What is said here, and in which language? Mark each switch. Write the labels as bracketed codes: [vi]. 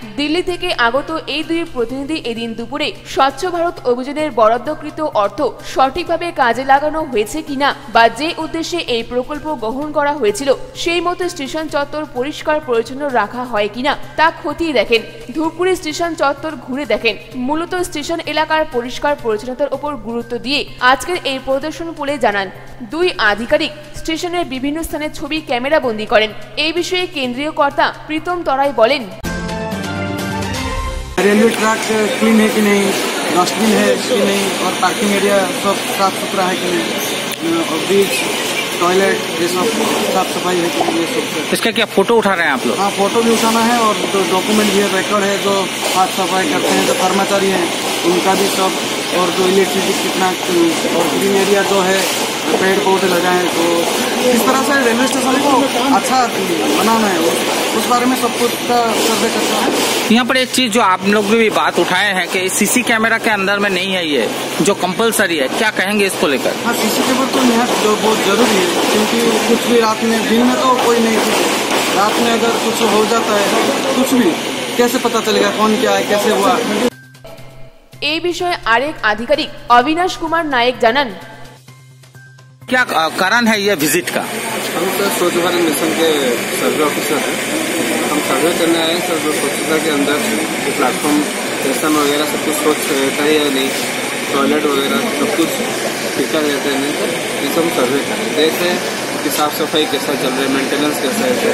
[bn] দিল্লি থেকে আগত এই 2 প্রতিনিধি এদিন দুপুরে স্বচ্ছ ভারত অভিযানের বরাদ্দকৃত অর্থ সঠিকভাবে কাজে লাগানো হয়েছে কিনা বা যে উদ্দেশ্যে এই প্রকল্প গ্রহণ করা হয়েছিল সেই মতো স্টেশন চত্বর পরিষ্কার পরিচ্ছন্ন রাখা হয় কিনা তা খতিয়ে দেখেন, ধূপগুড়ি স্টেশন চত্বর ঘুরে দেখেন। মূলত স্টেশন এলাকার পরিষ্কার পরিচ্ছন্নতার উপর গুরুত্ব দিয়ে আজকের এই প্রদর্শন বলে জানান 2 আধিকারিক। স্টেশনের বিভিন্ন স্থানে ছবি ক্যামেরা বন্দি করেন। এই বিষয়ে কেন্দ্রীয় কর্তা প্রীতম তরাই বলেন, [hi] रेलवे ट्रैक क्लीन है कि नहीं, डस्टबिन है कि नहीं, और पार्किंग एरिया सब साफ सुथरा है कि नहीं, और बीच टॉयलेट ये सब साफ सफाई है कि नहीं, ये सब। इसका क्या फोटो उठा रहे हैं आप लोग? हाँ, फोटो भी उठाना है और जो डॉक्यूमेंट भी है, रिकॉर्ड है, जो साफ सफाई करते हैं, जो कर्मचारी हैं उनका भी सब, और जो इलेक्ट्रिसिटी कितना, और ग्रीन एरिया जो है, पेड़ पौधे लगाए, तो इस तरह से रेलवे स्टेशन को अच्छा बनाना है, उस बारे में सब कुछ का सर्वे करना है। यहाँ पर एक चीज जो आप लोग भी बात उठाए हैं कि सीसी कैमरा के अंदर में नहीं है, ये जो कंपलसरी है, क्या कहेंगे इसको लेकर? हाँ, सीसी कैमरा तो यहाँ बहुत जरूरी है, क्योंकि कुछ भी रात में, दिन में तो कोई नहीं, रात में अगर कुछ हो जाता है कुछ भी कैसे पता चलेगा कौन क्या है कैसे हुआ। [bn] এই বিষয়ে আরেক আধিকারিক অবিনাশ কুমার নায়েক জানান, [hi] क्या कारण है ये विजिट का? हम तो स्वच्छ भारत मिशन के सर्वे ऑफिसर हैं, हम सर्वे करने आए हैं सर, जो स्वच्छता के अंदर जो प्लेटफॉर्म स्टेशन वगैरह सब कुछ स्वच्छ रहता है या नहीं, टॉयलेट वगैरह सब कुछ ठीक ठाक रहते हैं, ये सब सर्वे कर रहे हैं, देख रहे हैं कि साफ सफाई कैसा चल रहा है, मेंटेनेंस कैसा है,